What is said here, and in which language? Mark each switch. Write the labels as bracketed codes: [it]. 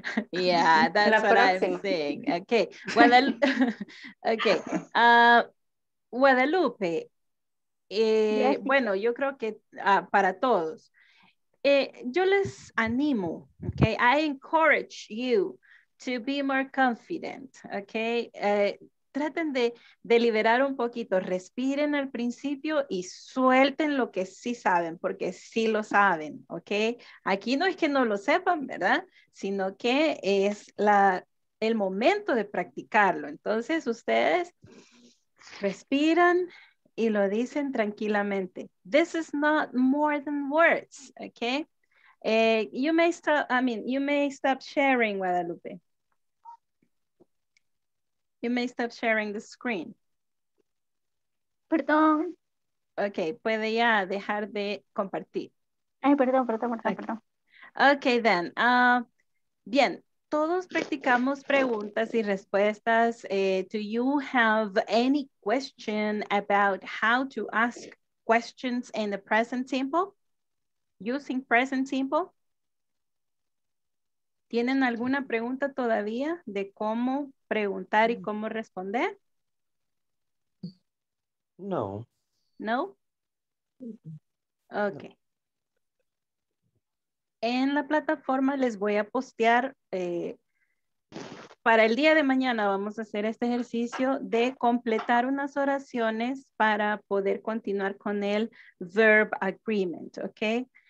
[en] Yeah, that's what I'm saying. Okay. Guadalupe. Yeah. [es] Bueno, yo creo que para todos. Yo les animo, okay? [en] I encourage you to be more confident, okay? [es] Traten de liberar un poquito, respiren al principio y suelten lo que sí saben, porque sí lo saben, okay? Aquí no es que no lo sepan, ¿verdad? Sino que es el momento de practicarlo. Entonces, ustedes respiran y lo dicen tranquilamente. [en] This is not more than words, okay? You may stop sharing, Guadalupe. You may stop sharing the screen. [es] Perdón. Okay, puede ya dejar de compartir. Ay, perdón. [en] Okay, then. [es] Bien, todos practicamos preguntas y respuestas. [en] Do you have any question about how to ask questions in the present simple? Using present simple? [es] ¿Tienen alguna pregunta todavía de cómo preguntar y cómo responder? No. No? Ok. En la plataforma les voy a postear, para el día de mañana vamos a hacer este ejercicio de completar unas oraciones para poder continuar con el verb agreement, ok.